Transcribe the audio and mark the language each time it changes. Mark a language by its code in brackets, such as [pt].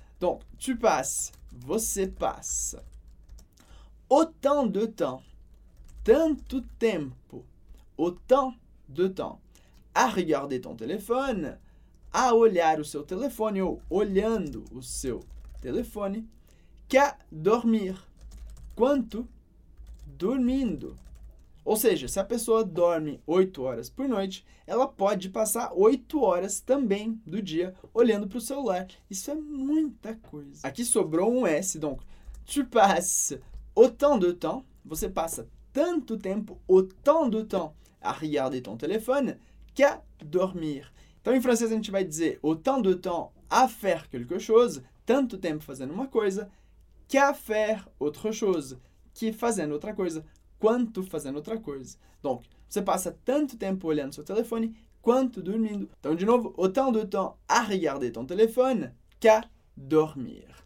[fr] Donc, tu passes, [pt] você passe, [fr] autant de temps, [pt] tanto tempo, [fr] autant de temps à regarder ton téléphone, [pt] à olhar o seu téléphone [fr] ou olhando o seu téléphone, qu'à dormir. [pt] Quanto dormindo? Ou seja, se a pessoa dorme 8 horas por noite, ela pode passar 8 horas também do dia olhando para o celular. Isso é muita coisa. Aqui sobrou um S, [fr] donc tu passes autant de temps, [pt] você passa tanto tempo, [fr] autant de temps à regarder ton téléphone qu'à dormir. [pt] Então em francês a gente vai dizer [fr] autant de temps à faire quelque chose, [pt] tanto tempo fazendo uma coisa, [fr] qu'à faire autre chose, [pt] que fazendo outra coisa, quanto fazendo outra coisa. Donc, você passa tanto tempo olhando seu telefone quanto dormindo. Então, de novo, [fr] autant de temps à regarder ton téléphone qu'à dormir.